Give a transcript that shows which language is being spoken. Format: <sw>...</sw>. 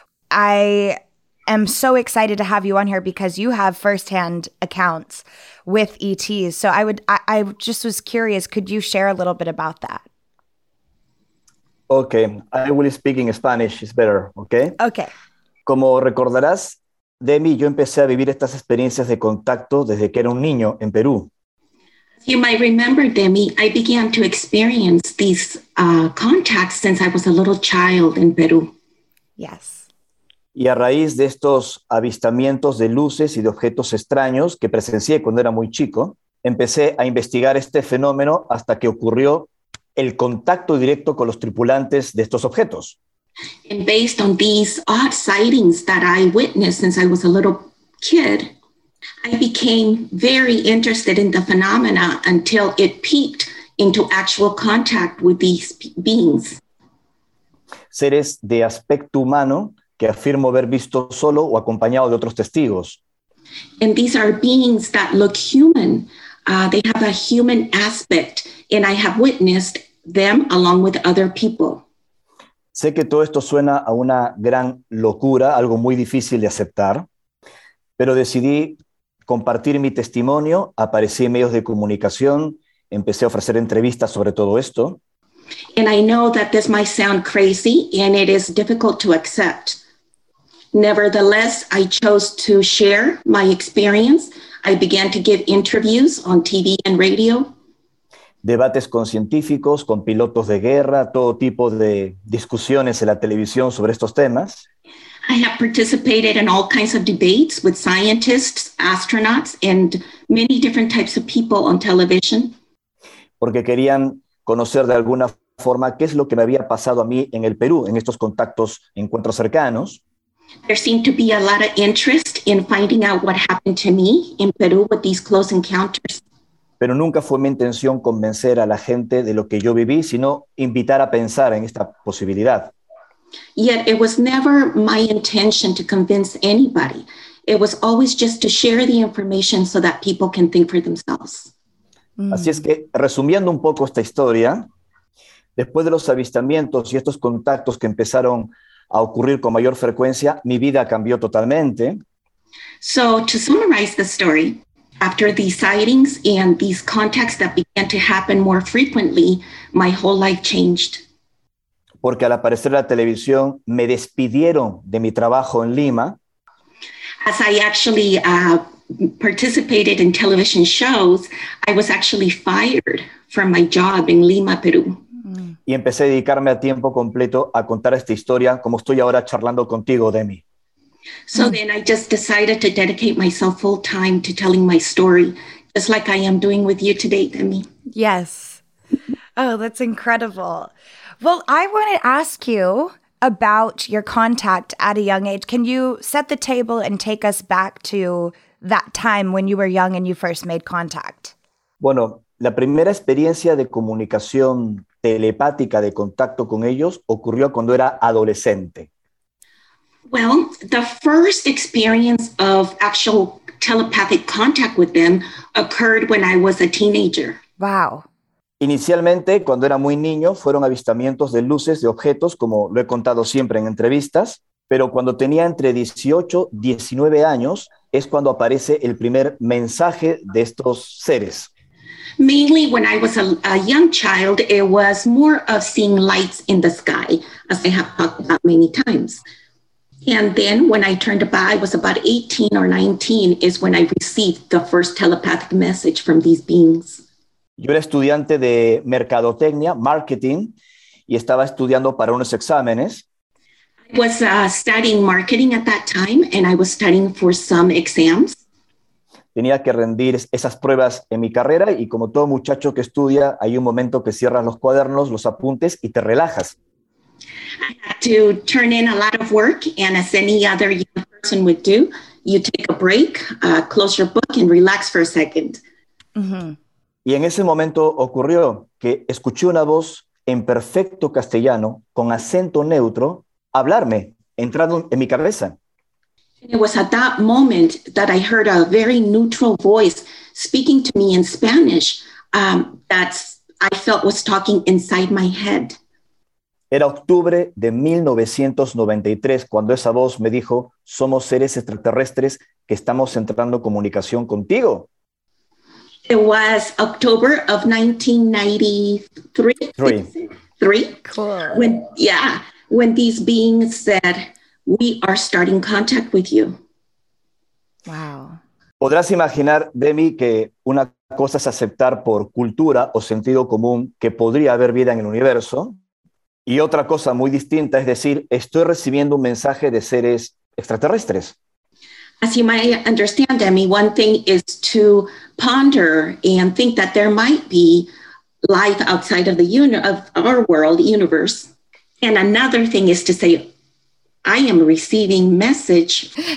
<en>I am so excited to have you on here because you have firsthand accounts with ETs. So I just was curious, could you share a little bit about that? Okay, I will speak in Spanish, it's better, okay? Okay.</en> <es>Como recordarás, Demi, yo empecé a vivir estas experiencias de contacto desde que era un niño en Perú.</es> <en>You might remember, Demi, I began to experience these contacts since I was a little child in Peru. Yes.</en> <es>Y a raíz de estos avistamientos de luces y de objetos extraños que presencié cuando era muy chico, empecé a investigar este fenómeno hasta que ocurrió el contacto directo con los tripulantes de estos objetos.</es> <en>And based on these odd sightings that I witnessed since I was a little kid, I became very interested in the phenomena until it peaked into actual contact with these beings.</en> <es>Seres de aspecto humano que afirmo haber visto solo o acompañado de otros testigos.</es> <en>And these are beings that look human. They have a human aspect, and I have witnessed them along with other people.</en> <es>Sé que todo esto suena a una gran locura, algo muy difícil de aceptar, pero decidí compartir mi testimonio, aparecí en medios de comunicación, empecé a ofrecer entrevistas sobre todo esto.</es> <en>And I know that this might sound crazy and it is difficult to accept. Nevertheless, I chose to share my experience. I began to give interviews on TV and radio.</en> <es>Debates con científicos, con pilotos de guerra, todo tipo de discusiones en la televisión sobre estos temas.</es> <en>I have participated in all kinds of debates with scientists, astronauts, and many different types of people on television.</en> <es>Porque querían conocer de alguna forma qué es lo que me había pasado a mí en el Perú, en estos contactos, encuentros cercanos.</es> <en>There seemed to be a lot of interest in finding out what happened to me in Peru with these close encounters.</en> <es>Pero nunca fue mi intención convencer a la gente de lo que yo viví, sino invitar a pensar en esta posibilidad.</es> <en>Yet it was never my intention to convince anybody. It was always just to share the information so that people can think for themselves.</en> <es>Así es que, resumiendo un poco esta historia, después de los avistamientos y estos contactos que empezaron a ocurrir con mayor frecuencia, mi vida cambió totalmente.</es> <en>So, to summarize the story, after these sightings and these contacts that began to happen more frequently, my whole life changed.</en> <es>Porque al aparecer la televisión, me despidieron de mi trabajo en Lima.</es> <en>As I actually participated in television shows, I was actually fired from my job in Lima, Peru.</en> <es>Y empecé a dedicarme a tiempo completo a contar esta historia, como estoy ahora charlando contigo, Demi.</es> <en>So then I just decided to dedicate myself full time to telling my story, just like I am doing with you today, Demi. Yes. Oh, that's incredible. Well, I want to ask you about your contact at a young age. Can you set the table and take us back to that time when you were young and you first made contact?</en> <es>Bueno, la primera experiencia de comunicación telepática de contacto con ellos ocurrió cuando era adolescente.</es> <en>Well, the first experience of actual telepathic contact with them occurred when I was a teenager. Wow.</en> <es>Inicialmente, cuando era muy niño, fueron avistamientos de luces, de objetos, como lo he contado siempre en entrevistas, pero cuando tenía entre 18 y 19 años, es cuando aparece el primer mensaje de estos seres.</es> <en>Mainly when I was a young child, it was more of seeing lights in the sky, as I have talked about many times. And then when I turned about, I was about 18 or 19, is when I received the first telepathic message from these beings.</en> <es>Yo era estudiante de mercadotecnia, marketing, y estaba estudiando para unos exámenes.</es> <en>I was studying marketing at that time, and I was studying for some exams.</en> <es>Tenía que rendir esas pruebas en mi carrera, y como todo muchacho que estudia, hay un momento que cierras los cuadernos, los apuntes, y te relajas.</es> <en>I had to turn in a lot of work, and as any other young person would do, you take a break, close your book, and relax for a second. Mm-hmm.</en> <es>Y en ese momento ocurrió que escuché una voz en perfecto castellano, con acento neutro, hablarme, entrando en mi cabeza.</es> <en>It was at that moment that I heard a very neutral voice speaking to me in Spanish that I felt was talking inside my head.</en> <es>Era octubre de 1993 cuando esa voz me dijo, somos seres extraterrestres que estamos entrando en comunicación contigo.</es> <en>It was October of 1993. Three. Cool. When these beings said, we are starting contact with you. Wow.</en> <es>¿Podrás imaginar, Demi, que una cosa es aceptar por cultura o sentido común que podría haber vida en el universo? Y otra cosa muy distinta es decir, estoy recibiendo un mensaje de seres extraterrestres.</es> <en>As you might understand, Demi, one thing is to ponder and think that there might be life outside of the universe. And another thing is to say, I am receiving message.</en>